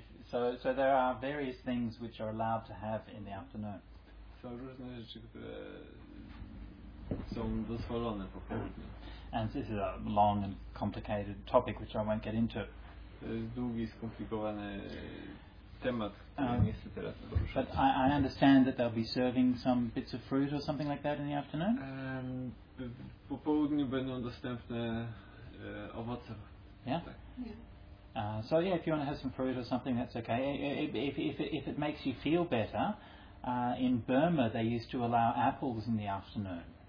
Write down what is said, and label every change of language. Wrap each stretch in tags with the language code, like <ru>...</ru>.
<en>So there are various things which are allowed to have in the afternoon.</en> <pl>Są różne rzeczy, które są dozwolone po południu.</pl> <en>And this is a long and complicated topic which I won't get into.</en> <pl>To jest długi, skomplikowany temat, teraz</pl> <en>but I understand that they'll be serving some bits of fruit or something like that in the afternoon.</en> <pl>Po południu będą dostępne owoce.</pl> <en>Yeah.</en> <pl>Tak.</pl> <en>So yeah, if you want to have some fruit or something, that's okay. If it makes you feel better, in Burma they used to allow apples in the afternoon.</en>